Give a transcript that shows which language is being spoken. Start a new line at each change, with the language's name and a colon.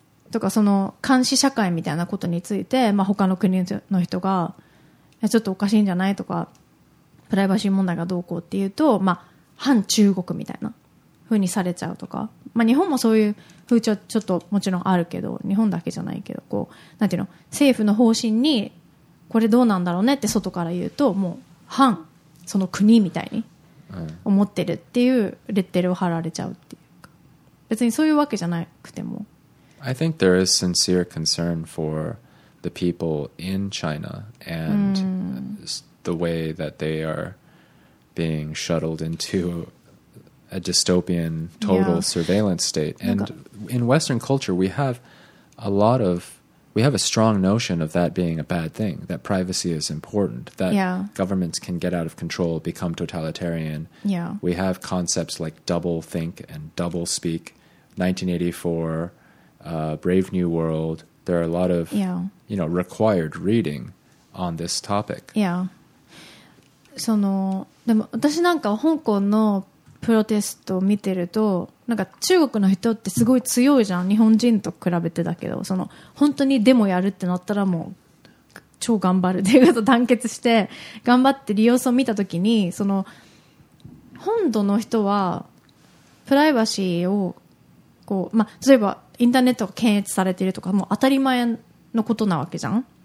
Japanese: とかその監視社会みたいなことについて、まあ、他の国の人がちょっとおかしいんじゃないとか、プライバシー問題がどうこうっていうと、まあ、反中国みたいな風にされちゃうとか、まあ、日本もそういう風潮ちょっともちろんあるけど、日本だけじゃないけど、こうなんていうの、政府の方針にこれどうなんだろうねって外から言うと、もう反その国みたいに思ってるっていうレッテルを貼られちゃうっていうか、別にそういうわけじゃなくても。
English: I think there is sincere concern for the people in China and the way that they are being shuttled into a dystopian total surveillance state. And in Western culture, we have a strong notion of that being a bad thing, that privacy is important, that governments can get out of control, become totalitarian. Yeah. We have concepts like double think and double speak, 1984... Brave New World, there are a lot of you know, required reading on this topic. Yeah.
Japanese: そのでも私なんか香港のプロテストを見てると、なんか中国の人ってすごい強いじゃん、日本人と比べてだけど、その本当にデモやるってなったらもう超頑張るっていうこと、団結して頑張って利用を見たときに、その本土の人はプライバシーをこう、まあ、例えばインターネットが検閲されているとか、もう当たり前のことなわけじゃん。